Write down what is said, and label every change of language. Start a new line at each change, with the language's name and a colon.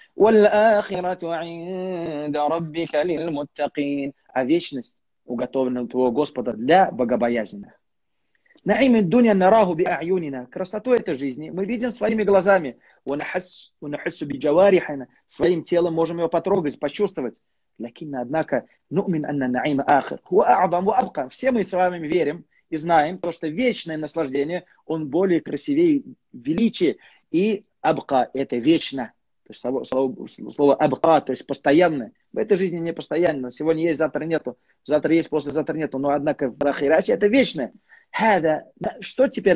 Arabic: وَالْآخِرَةُ عِنْدَ رَبِّكَ لِلْمُتَّقِينَ.
Russian: А вечность уготовлена у твоего Господа для богобоязненных.
Arabic: نَعِيمِ الدُّنْيَا نَرَاهُ بِأَعْيُنِنَا.
Russian: Красоту этой жизни мы видим своими глазами.
Arabic: وَنَحَسُ بِجَوَارِحِنَا.
Russian: Своим телом можем его потрогать, почувствовать.
Arabic: لَكِنَّ
Russian: однако
Arabic: نُؤْمِنْ أَنَّ النَّعِيمَ آخِرُ هُوَ أَعْظَمُ وَأَبْقَى.
Russian: Все мы с вами верим и знаем то, что вечное наслаждение, он более красивее, величие, и абка – это вечно. То есть слово абка, то есть постоянное. В этой жизни не постоянно. Сегодня есть, завтра нету. Завтра есть, послезавтра нету. Но однако в ахирате это вечное.
Arabic: Хада.
Russian: Что теперь?